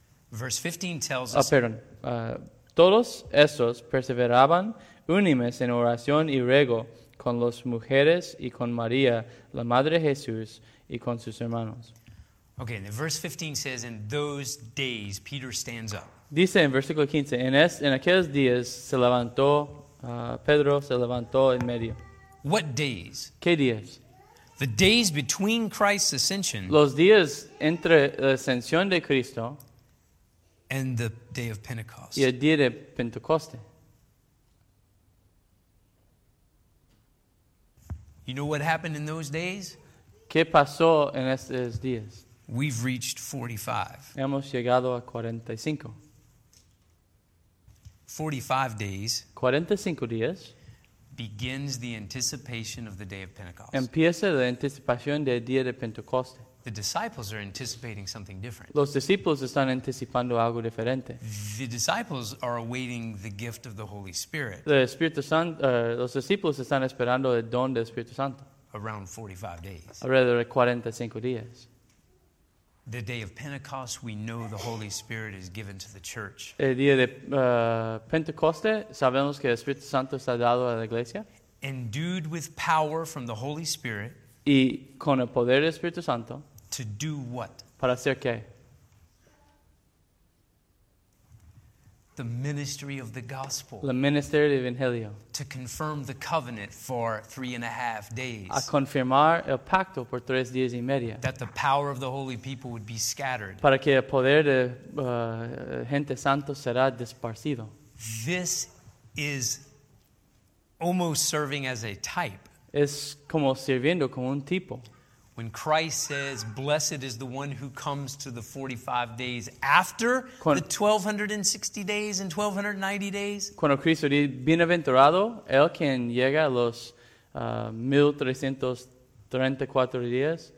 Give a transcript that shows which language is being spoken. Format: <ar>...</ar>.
<en>Verse 15 tells us.</en> <es>Todos esos perseveraban unánimes en oración y ruego con las mujeres y con María, la madre de Jesús, y con sus hermanos.</es> <en>Okay, and then verse 15 says, in those days, Peter stands up.</en> <es>Dice en versículo 15, en aquellos días se levantó, Pedro se levantó en medio.</es> <en>What days?</en> <es>¿Qué días?</es> <en>The days between Christ's ascension.</en> <es>Los días entre la ascensión de Cristo.</es> <en>And the day of Pentecost.</en> <es>Y el día de Pentecoste.</es> <en>You know what happened in those days?</en> <es>¿Qué pasó en esos días?</es> <en>We've reached 45.</en> <es>Hemos llegado a 45.</es> <en>45 days.</en> <es>45 días.</es> <en>Begins the anticipation of the day of Pentecost.</en> <es>Empieza la anticipación del día de Pentecoste.</es> <en>The disciples are anticipating something different.</en> <es>Los discípulos están anticipando algo diferente.</es> <en>The disciples are awaiting the gift of the Holy Spirit.</en> <es>Los discípulos están esperando el don del Espíritu Santo.</es> <en>Around 45 days.</en> <es>Alrededor de 45 días.</es> <en>The day of Pentecost, we know the Holy Spirit is given to the church.</en> <es>El día de Pentecoste, sabemos que el Espíritu Santo está dado a la iglesia.</es> <en>Endued with power from the Holy Spirit.</en> <es>Y con el poder del Espíritu Santo.</es> <en>To do what?</en> <es>Para hacer qué?</es> <en>The ministry of the gospel.</en> <es>El ministerio del evangelio.</es> <en>To confirm the covenant for 3.5 days.</en> <es>A confirmar el pacto por 3 días y medio.</es> <en>That the power of the holy people would be scattered.</en> <es>Para que el poder de gente santo será desparcido.</es> <en>This is almost serving as a type.</en> <es>Es como sirviendo como un tipo.</es> <en>When Christ says, blessed is the one who comes to the 45 days after the 1260 days and 1290 days.</en> <es>Cuando Cristo dice, bienaventurado, el quien llega a los 1334 días.</es>